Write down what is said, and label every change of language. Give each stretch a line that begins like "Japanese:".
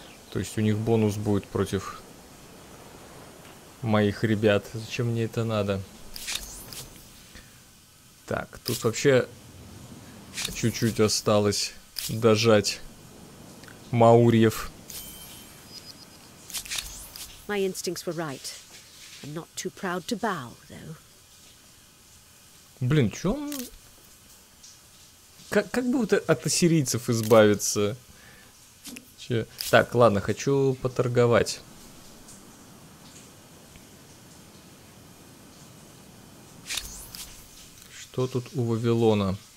Russian: То есть у них бонус будет против моих ребят. Зачем мне это надо? Так, тут вообще чуть-чуть осталось дожать Маурьев.
English: My instincts were right. I'm not too proud to bow, though.
Russian: Блин, чё он... Как бы вот от ассирийцев избавиться? Че? Так, ладно, хочу поторговать. Что тут у Вавилона?